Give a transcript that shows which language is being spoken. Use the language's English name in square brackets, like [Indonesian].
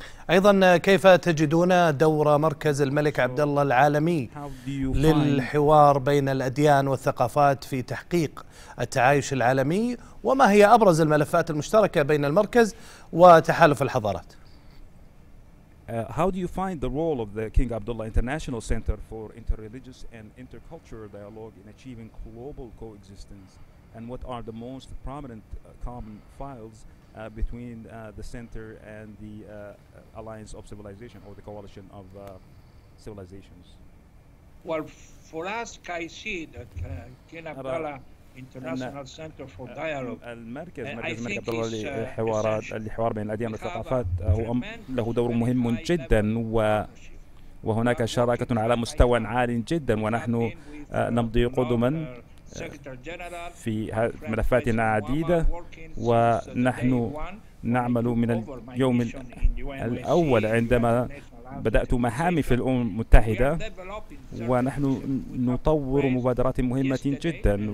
[Arabic] أيضا، كيف تجدون دور مركز الملك عبد الله العالمي للحوار بين الأديان والثقافات في تحقيق التعايش العالمي، وما هي أبرز الملفات المشتركة بين المركز وتحالف الحضارات؟ [English] How do you find the role of the King Abdullah International Center for Interreligious and Intercultural Dialogue in achieving global coexistence? And what are the most prominent common files between the center and the Alliance of Civilization or the Coalition of Civilizations? Well, for us, I see that King Abdullah International Center for Dialogue. [Arabic] المركز الملك عبد الله للحوارات للحوار بين الأديان والثقافات له دور مهم جدا، وهناك شراكة على مستوى عال جدا، ونحن نمضي قدما في ملفاتنا عديدة، ونحن نعمل من اليوم الأول عندما بدأت مهامي في الأمم المتحدة، ونحن نطور مبادرات مهمة جدا.